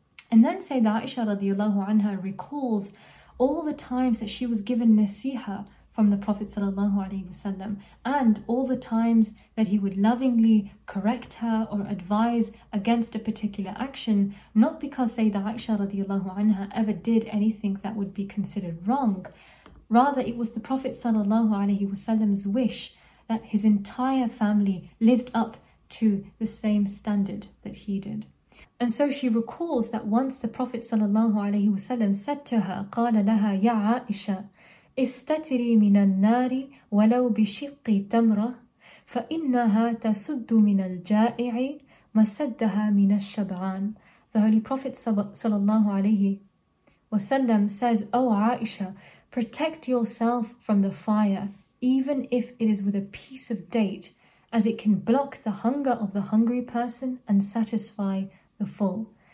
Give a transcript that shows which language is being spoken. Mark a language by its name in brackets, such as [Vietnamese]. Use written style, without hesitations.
[English] And then Sayyidah Aisha radiallahu anha recalls all the times that she was given nasiha from the Prophet sallallahu alaihi wasallam, and all the times that he would lovingly correct her or advise against a particular action, not because Sayyidah Aisha radiallahu anha ever did anything that would be considered wrong. Rather, it was the Prophet sallallahu alaihi wasallam's wish that his entire family lived up to the same standard that he did. And so she recalls that once the Prophet sallallahu alaihi wasallam said to her, [Arabic] قَالَ لَهَا يَا عَائِشَةَ إِسْتَتِرِي مِنَ النَّارِ وَلَوْ بِشِقِّ تَمْرَةِ فَإِنَّهَا تَسُدُّ مِنَ الْجَائِعِ مَسَدَّهَا مِنَ الشَّبْعَانِ. [English] The Holy Prophet sallallahu alaihi wasallam says, O Aisha, protect yourself from the fire, even if it is with a piece of date, as it can block the hunger of the hungry person and satisfy the full.